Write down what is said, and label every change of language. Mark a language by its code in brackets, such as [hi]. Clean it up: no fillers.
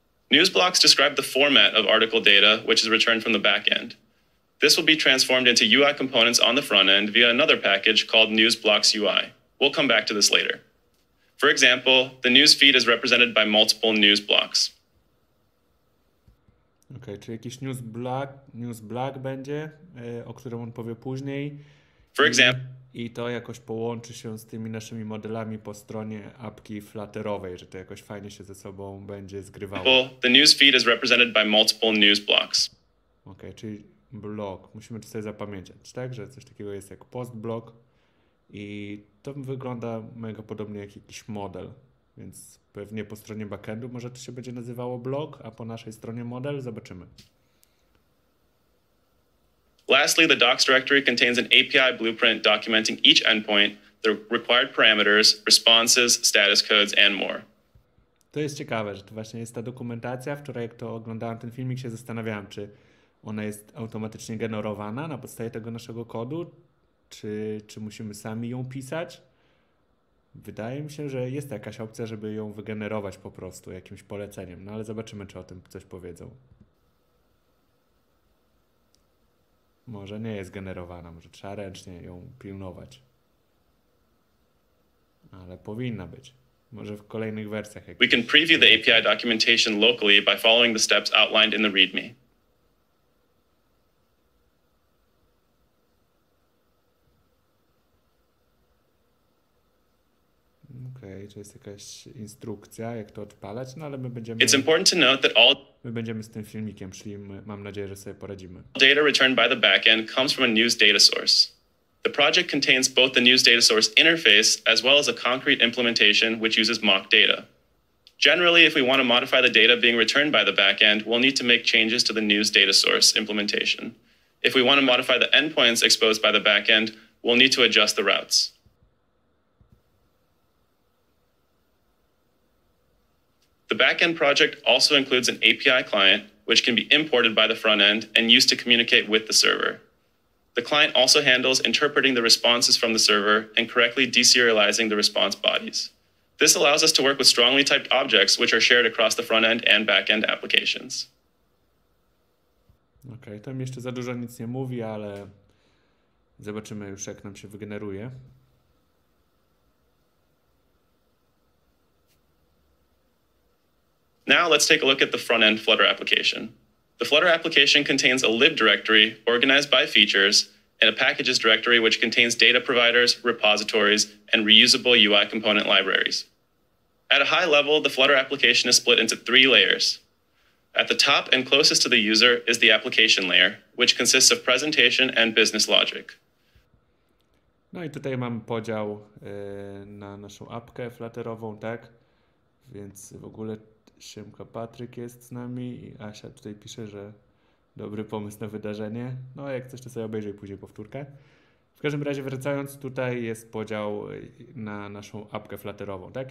[en] Newsblocks describe the format of article data which is returned from the backend. This will be transformed into UI components on the front end via another package called newsblocks UI. We'll come back to this later. For example, the news feed is represented by multiple news blocks. [pl] Okay, czy jakiś news block będzie, o którym on powie później. [en] For example, [pl] i to jakoś połączy się z tymi naszymi modelami po stronie apki flutterowej, że to jakoś fajnie się ze sobą będzie zgrywało. [en] The news feed is represented by multiple news blocks. [pl] Ok, czyli blok. Musimy to sobie zapamiętać, tak? Że coś takiego jest jak postblok i to wygląda mega podobnie jak jakiś model. Więc pewnie po stronie backendu może to się będzie nazywało blok, a po naszej stronie model. Zobaczymy. [en] Lastly, the docs directory contains an API blueprint documenting each endpoint, the required parameters, responses, status codes, and more. [pl] To jest ciekawe, że to właśnie jest ta dokumentacja. Wczoraj, jak to oglądałem ten filmik, się zastanawiałem, czy ona jest automatycznie generowana na podstawie tego naszego kodu, czy musimy sami ją pisać. Wydaje mi się, że jest jakaś opcja, żeby ją wygenerować po prostu jakimś poleceniem, no ale zobaczymy, czy o tym coś powiedzą. Może nie jest generowana, może trzeba ręcznie ją pilnować. Ale powinna być. Może w kolejnych wersjach. [en] We can preview the API documentation locally by following the steps outlined in the README. [pl] Okej, to jest jakaś instrukcja, jak to odpalać, no ale my będziemy... [en] It's important to note that all... [pl] My będziemy z tym filmikiem szli, mam nadzieję, że sobie poradzimy. [en] Data returned by the backend comes from a news data source. The project contains both the news data source interface as well as a concrete implementation which uses mock data. Generally, if we want to modify the data being returned by the backend, we'll need to make changes to the news data source implementation. If we want to modify the endpoints exposed by the backend, we'll need to adjust the routes. The backend project also includes an API client, which can be imported by the front end and used to communicate with the server. The client also handles interpreting the responses from the server and correctly deserializing the response bodies. This allows us to work with strongly typed objects, which are shared across the front end and back end applications. [pl] Okay, tam jeszcze za dużo nic nie mówi, ale zobaczymy już, jak nam się wygeneruje. [en] Now let's take a look at the front-end Flutter application. The Flutter application contains a lib directory organized by features and a packages directory which contains data providers, repositories, and reusable UI component libraries. At a high level, the Flutter application is split into three layers. At the top and closest to the user is the application layer, which consists of presentation and business logic. [pl] No i tutaj mam podział na naszą apkę flutterową, tak? Więc w ogóle Siemka Patryk jest z nami i Asia tutaj pisze, że dobry pomysł na wydarzenie. No jak coś to sobie obejrzyj później powtórkę. W każdym razie wracając, tutaj jest podział na naszą apkę flutterową. Tak?